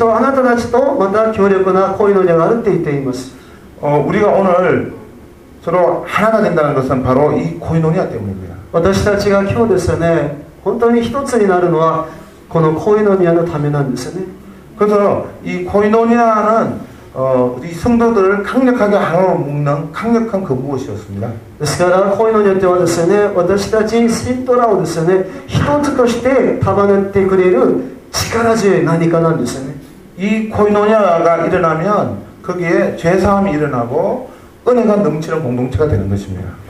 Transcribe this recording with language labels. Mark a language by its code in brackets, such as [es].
[ja] そしてそのコイノニアですね、私とあなたたちとまた強力なコイノニアがあるって言っています。 [ko] 우리가 오늘 서로 하나가 된다는 것은 바로 이 코이노니아 때문입니다. [ja] 私たちが今日ですね、本当に一つになるのはこのコイノニアのためなんですね。 [ko] 그래서 이 코이노니아는 우리 성도들을 강력하게 하나로 묶는 강력한 그 무엇이었습니다. [ja] ですからコイノニアではですね、私たち信徒らをですね、一つとして束ねてくれる力強い何かなんですね。 [ko] 이 코이노니아가 일어나면 거기에 죄사함이 일어나고 은혜가 넘치는 공동체가 되는 것입니다.